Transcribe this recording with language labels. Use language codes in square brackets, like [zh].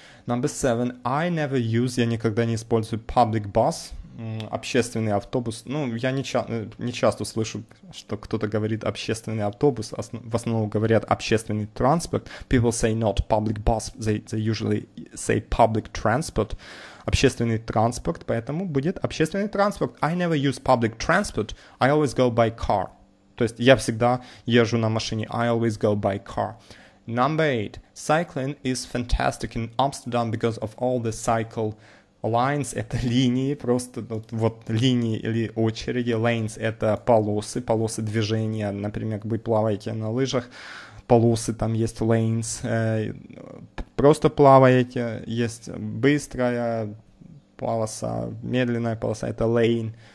[en] Number 7, I never use, [ru] я никогда не использую [en] public bus, [ru] общественный автобус, ну, я не часто слышу, что кто-то говорит общественный автобус, в основном говорят общественный транспорт, [en] people say not public bus, they usually say public transport, [ru] общественный транспорт, поэтому будет общественный транспорт. [en] I never use public transport, I always go by car. [ru] То есть я всегда езжу на машине. [en] I always go by car. Number 8. Cycling is fantastic in Amsterdam because of all the cycle lines. [ru] Это линии, просто вот линии или очереди. Lanes – это полосы, полосы движения. Например, вы плаваете на лыжах, полосы, там есть lanes. Просто плаваете, есть быстрая полоса, медленная полоса – это lane.